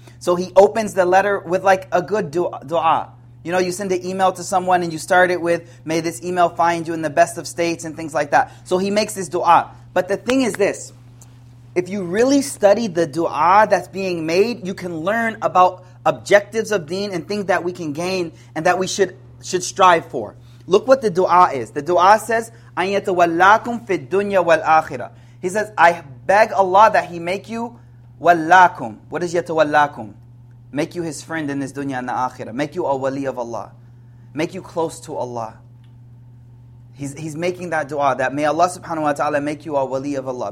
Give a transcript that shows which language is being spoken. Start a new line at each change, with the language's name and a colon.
English: So he opens the letter with like a good dua. You know, you send an email to someone and you start it with, may this email find you in the best of states and things like that. So he makes this dua. But the thing is this, if you really study the dua that's being made, you can learn about objectives of deen and things that we can gain and that we should strive for. Look what the dua is. The dua says,
Arabic: أَيَّتَوَلَّاكُمْ فِي الدُّنْيَا وَالْآخِرَةِ.
English: He says, I beg Allah that He make you wallakum. What is yatawallakum? Make you His friend in this dunya and the akhirah. Make you a wali of Allah. Make you close to Allah. He's making that dua, that may Allah subhanahu wa ta'ala make you a wali of Allah.